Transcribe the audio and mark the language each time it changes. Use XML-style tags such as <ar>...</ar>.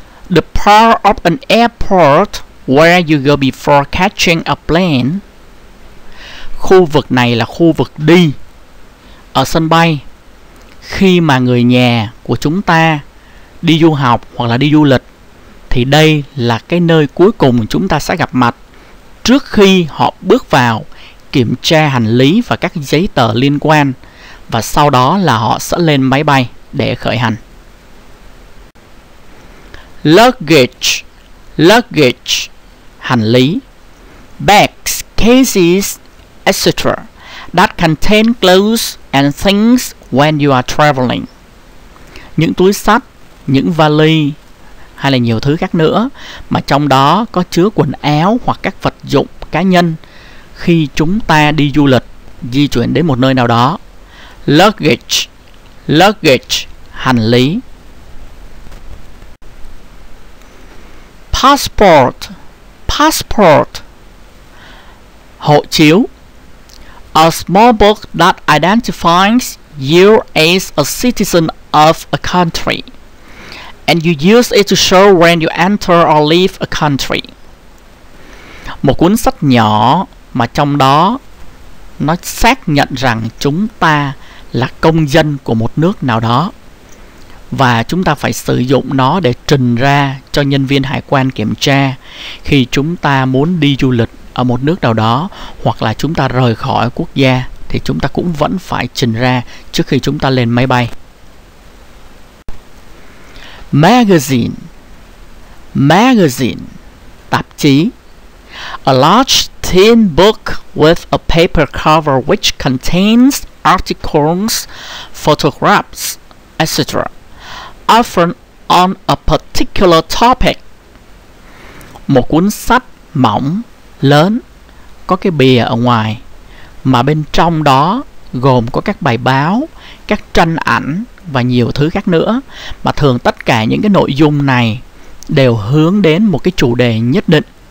<en>The part of an airport where you go before catching a plane.</en> <vi>Khu vực này là khu vực đi ở sân bay. Khi mà người nhà của chúng ta đi du học hoặc là đi du lịch, thì đây là cái nơi cuối cùng chúng ta sẽ gặp mặt trước khi họ bước vào kiểm tra hành lý và các giấy tờ liên quan, và sau đó là họ sẽ lên máy bay để khởi hành.</vi> <en>Luggage, luggage,</en> <vi>hành lý.</vi> <en>Bags, cases, etc. that contain clothes and things when you are traveling.</en> <vi>Những túi sách, những vali hay là nhiều thứ khác nữa mà trong đó có chứa quần áo hoặc các vật dụng cá nhân khi chúng ta đi du lịch, di chuyển đến một nơi nào đó.</vi> <en>Luggage, luggage,</en> <vi>hành lý.</vi> <en>Passport, passport,</en> <vi>hộ chiếu.</vi> <en>A small book that identifies you as a citizen of a country, and you use it to show when you enter or leave a country.</en> <vi>Một cuốn sách nhỏ mà trong đó nó xác nhận rằng chúng ta là công dân của một nước nào đó, và chúng ta phải sử dụng nó để trình ra cho nhân viên hải quan kiểm tra khi chúng ta muốn đi du lịch ở một nước nào đó, hoặc là chúng ta rời khỏi quốc gia thì chúng ta cũng vẫn phải trình ra trước khi chúng ta lên máy bay.</vi> <en>Magazine, magazine,</en> <vi>tạp chí.</vi> <en>A large thin book with a paper cover which contains articles, photographs, etc. often on a particular topic.</en> <vi>Một cuốn sách mỏng, lớn, có cái bìa ở ngoài, mà bên trong đó gồm có các bài báo, các tranh ảnh và nhiều thứ khác nữa, mà thường tất cả những cái nội dung này đều hướng đến một cái chủ đề nhất định.</vi>